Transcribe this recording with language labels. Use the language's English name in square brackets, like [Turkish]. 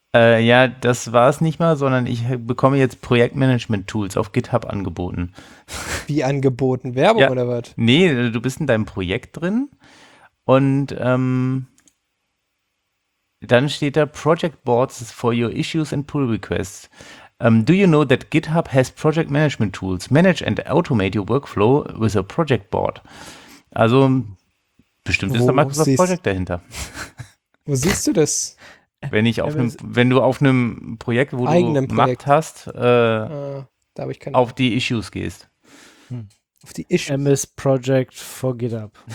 [German] Ja, das war es nicht mal, sondern ich bekomme jetzt Projektmanagement-Tools auf GitHub angeboten. Wie angeboten? Werbung ja, oder was? Nee, du bist in deinem Projekt drin und dann steht da [English] Project Boards for your issues and pull requests. Do you know that GitHub has Project Management Tools? Manage and automate your workflow with a Project Board. [German] Also, bestimmt ist da Microsoft Project dahinter. Wo siehst du das? Wenn du auf einem Projekt, wo du Projekt. Macht hast, da hab ich keine auf die Issues gehst. Auf die Issues. [English] MS Project for GitHub.